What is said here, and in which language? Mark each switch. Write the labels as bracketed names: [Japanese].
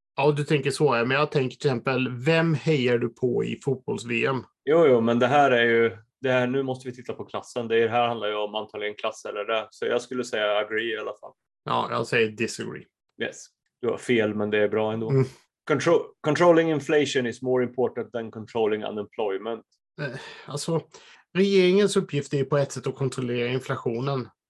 [Swedish] Ja, du tänker så, men jag tänker till exempel, vem hejar du på i fotbolls-VM? Jo, men det här är ju, det här, nu måste vi titta på klassen. Det här handlar ju om antagligen klass eller det. Så jag skulle säga agree i alla fall. Ja, jag säger disagree. Yes, du har fel, men det är bra ändå. Mm. [English] Controlling inflation is more important than controlling unemployment. [Swedish] Alltså, regeringens uppgift är ju på ett sätt att kontrollera inflationen.